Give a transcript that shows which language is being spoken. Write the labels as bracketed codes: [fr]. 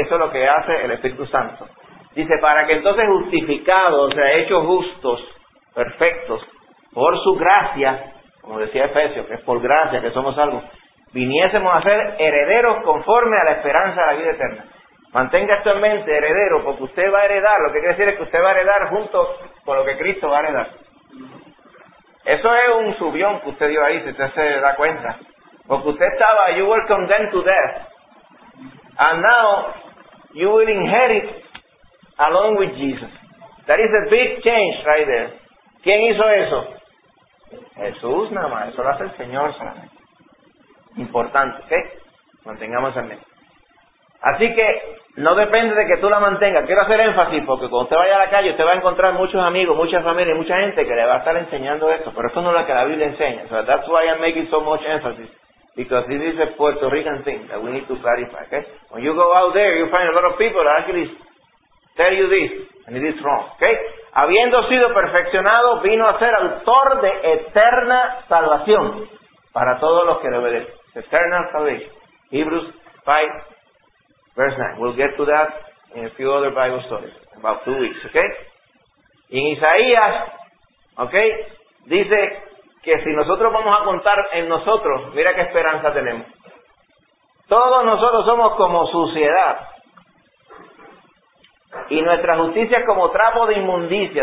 [es] Eso es lo que hace el Espíritu Santo. Dice, para que entonces justificados, o sea, hechos justos, perfectos, por su gracia, como decía Efesios, que es por gracia que somos salvos, viniésemos a ser herederos conforme a la esperanza de la vida eterna. Mantenga esto en mente, heredero, porque usted va a heredar, lo que quiere decir es que usted va a heredar junto con lo que Cristo va a heredar. Eso es un subión que usted dio ahí, si usted se da cuenta. Porque usted estaba, [en] you were condemned to death, and now you will inherit along with Jesus. That is a big change right there. [es] ¿Quién hizo eso? Jesús nada más, eso lo hace el Señor solamente. Importante, ¿ok? Mantengamos en mente. Así que no depende de que tú la mantengas. Quiero hacer énfasis porque cuando usted vaya a la calle, usted va a encontrar muchos amigos, mucha familia y mucha gente que le va a estar enseñando esto. Pero esto no es lo que la Biblia enseña. [en] So that's why I'm making so much emphasis. Because this is a Puerto Rican thing that we need to clarify, ¿ok? When you go out there, you find a lot of people that actually tell you this, and it is wrong, ¿ok? [es] Habiendo sido perfeccionado, vino a ser autor de eterna salvación para todos los que le obedecen. [en] Eternal salvation. Hebrews 5, verse 9. We'll get to that in a few other Bible stories. About 2 weeks, ¿ok? [es] Y en Isaías, [en] ¿ok? [es] Dice que si nosotros vamos a contar en nosotros, mira qué esperanza tenemos. Todos nosotros somos como suciedad. Y nuestra justicia es como trapo de inmundicia.